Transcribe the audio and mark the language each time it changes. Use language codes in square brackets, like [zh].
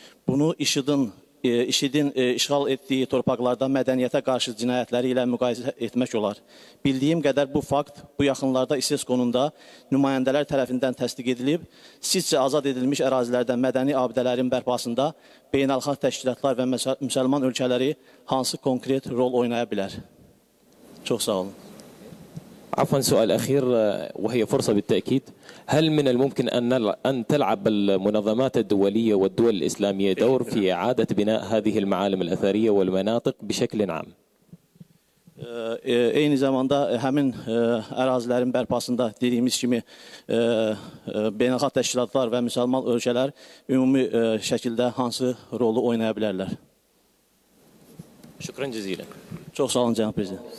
[az] Bunu IŞİD-in işğal etdiyi torpaqlarda mədəniyyətə qarşı cinayətləri ilə müqayisə etmək olar. Bildiyim qədər bu fakt bu yaxınlarda İSESCO-nun da nümayəndələr tərəfindən təsdiq edilib, sizcə azad edilmiş ərazilərdən mədəni abidələrin bərpasında beynəlxalq təşkilatlar və müsəlman ölkələri hansı konkret rol oynaya bilər? Çox sağ olun. [ar] عفوا، سؤال أخير وهي فرصة بالتأكيد، هل من الممكن أن تلعب المنظمات الدولية والدول الإسلامية دور في إعادة بناء هذه المعالم الأثرية والمناطق بشكل عام؟ [az] Eyni zamanda həmin ərazilərin bərpasında dediyimiz kimi beynəlxalq təşkilatlar və müsəlman ölkələr ümumi şəkildə hansı rolu oynaya bilərlər? [ar] Şükran cəzilən. [az] Çox sağ olun, Cənab Prezident.